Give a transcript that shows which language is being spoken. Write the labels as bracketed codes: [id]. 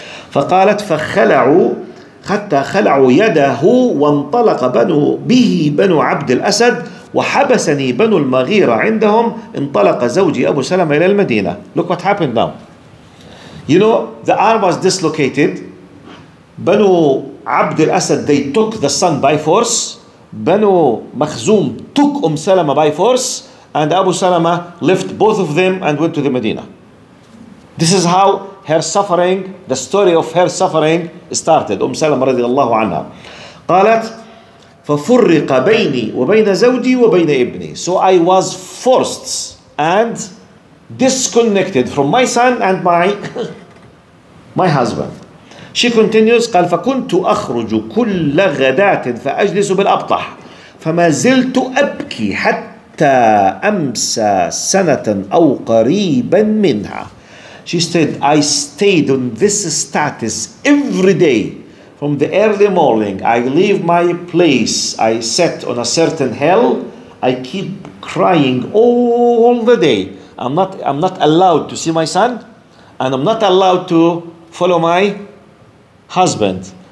[ar] فقالت فخلعوا حتى خلعوا يده وانطلق بنو به بنو عبد الأسد وحبسني بنو المغيرة عندهم انطلق زوجي أبو سلمة إلى المدينة. [en] Look what happened now. You know, the arm was dislocated. بنو عبد الأسد, they took the son by force. بنو مخزوم took سلمة by force. And Abu Salama left both of them and went to the Medina. This is how her suffering, the story of her suffering started. [ar] Salama رضي الله عنها. قالت ففرق بيني وبين زوجي وبين ابني. [en] So I was forced and disconnected from my son and my my husband. She continues, [ar] قال فكنت أخرج كل غداة فأجلس بالأبطح فما زلت أبكي حتى أمسى سنة أو قريبا منها. [en] She said, I stayed on this status every day from the early morning. I leave my place. I sat on a certain hill. I keep crying all the day. I'm not allowed to see my son and I'm not allowed to follow my husband.